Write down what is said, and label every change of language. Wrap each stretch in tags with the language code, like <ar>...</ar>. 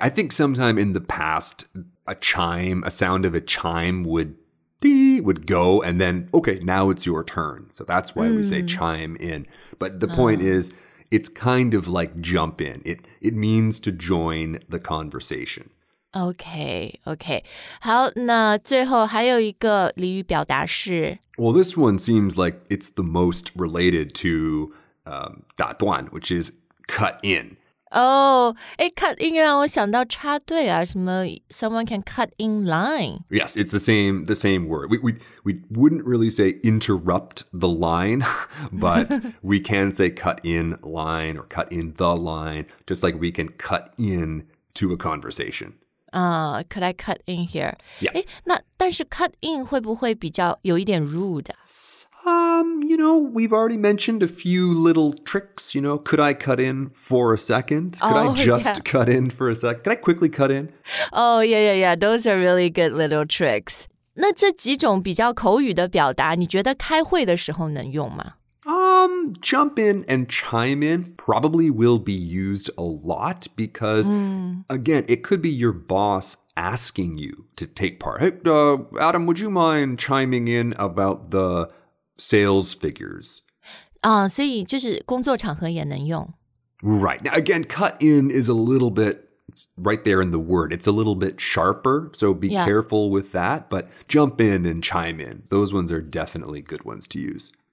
<en>I think sometime in the past, a sound of a chime would go, and then, okay, now it's your turn. So that's why we say chime in. But the point is, it's kind of like jump in. It means to join the conversation. Okay.</en> <zh>好，那最后还有一个俚语表达是</zh> <en>Well, this one seems like it's the most related to 打断 which is cut in.</en> <zh>Cut in 让我想到插队啊，什么</zh> <en>someone can cut in line. Yes, it's the same word. We wouldn't really say interrupt the line, but we can say cut in line or cut in the line, just like we can cut in to a conversation. Could I cut in here? Yeah.</en> <zh>那但是 cut in 会不会比较有一点 rude?</zh> <en>You know, we've already mentioned a few little tricks, you know. Could I cut in for a second? Could I just cut in for a second? Could I quickly cut in? Oh, yeah. Those are really good little tricks.</en> <zh>那这几种比较口语的表达，你觉得开会的时候能用吗？</zh> <en>Jump in and chime in probably will be used a lot because, again, it could be your boss asking you to take part. Hey, Adam, would you mind chiming in about the sales figures?</en> <zh>所以就是工作场合也能用。</zh> <en>Right. Now, again, cut in is a little bit, it's right there in the word. It's a little bit sharper, so be careful with that. But jump in and chime in. Those ones are definitely good ones to use.</en>